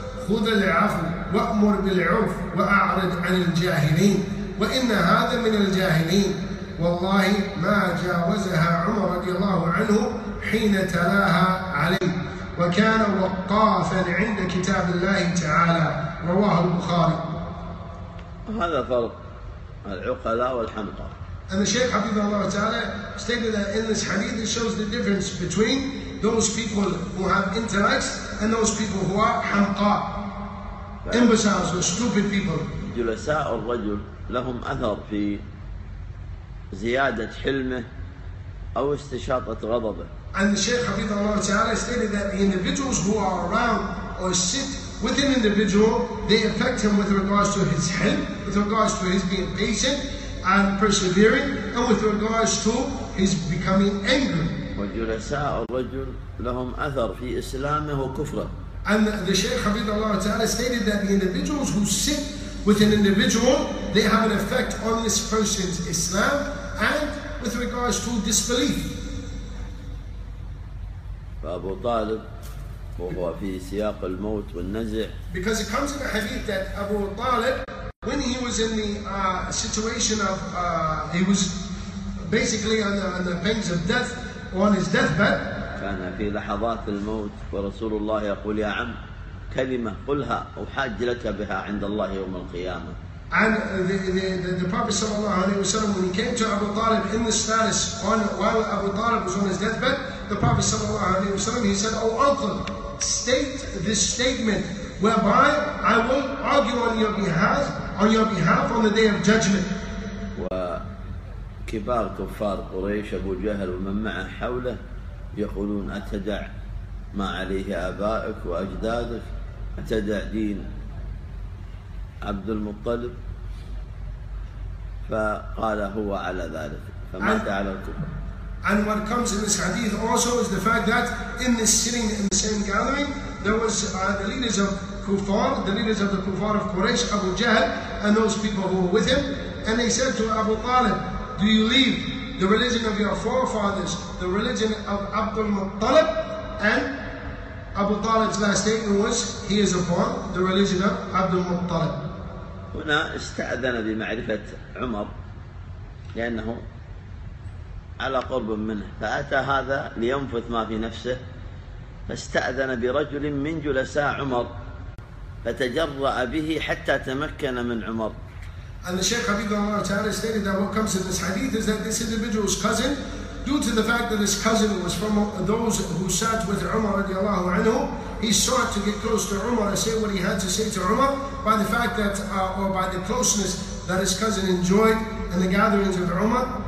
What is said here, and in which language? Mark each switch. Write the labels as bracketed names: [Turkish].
[Arabic] خذ العفو وأمر بالعرف وأعرض عن الجاهلين وإن هذا من الجاهلين والله ما جاوزها عمر رضي الله عنه حين تلاها عليه وكان وقافا عند كتاب الله تعالى رواه البخاري. هذا فرق العقلاء والحمقى. [English] And the Shaykh Hafidhullah Allah Ta'ala stated that in this hadith it shows the difference between those people who have intellects and those people who are حمقى, imbeciles or stupid people. [Arabic] جلساء الرجل لهم أثر في زيادة حلمه أو استشاطة غضبه. [English] And the Shaykh Hafidhullah Allah Ta'ala stated that the individuals who are around or sit with an individual, they affect him with regards to his حلم, with regards to his being patient and persevering, and with regards to his becoming angry. [Arabic] وجلساء الرجل لهم أثر في إسلامه وكفره. [English] And the Shaykh Hafidhullah Ta'ala stated that the individuals who sit with an individual, they have an effect on this person's Islam and with regards to disbelief. [Arabic] فأبو طالب وهو في سياق الموت والنزع. [English] Because it comes in the hadith that Abu Talib, when he was in the situation of he was basically on the pains of death or on his deathbed. [Arabic] كان في لحظات الموت ورسول الله يقول يا عم كلمة قلها أحاج لك بها عند الله يوم القيامة. [English] And the Prophet [Arabic] صلى الله عليه وسلم [English] when he came to Abu Talib in the status on while Abu Talib was on his deathbed, the Prophet صلى الله عليه وسلم he said, oh uncle, state this statement whereby I will argue on your behalf on the day of judgment. [Arabic] وكبار كفار قريش أبو جهل ومن معه حوله يقولون أتدع ما عليه آبائك وأجدادك أتدع دين عبد المطلب فقال هو على ذلك فمات على الكفر. [English] And what comes in this hadith also is the fact that in this sitting in the same gathering there was the leaders of Kufar, the leaders of the Kufar of Quraysh, Abu Jahl, and those people who were with him, and they said to Abu Talib, do you leave the religion of your forefathers, the religion of Abdul Muttalib? And Abu Talib's last statement was, he is upon the religion of Abdul Muttalib. [Arabic] هنا استأذن بمعرفة عمر لأنه على قرب منه فأتى هذا لينفث ما في نفسه فاستأذن برجل من جلساء عمر فتجرأ به حتى تمكن من عمر. [English] And the Shaykh Hafidhullah Ta'ala stated that what comes in this hadith is that this individual's cousin, due to the fact that his cousin was from those who sat with Umar radiallahu anhu, he sought to get close to Umar and say what he had to say to Umar by the fact that, or by the closeness that his cousin enjoyed in the gatherings of Umar.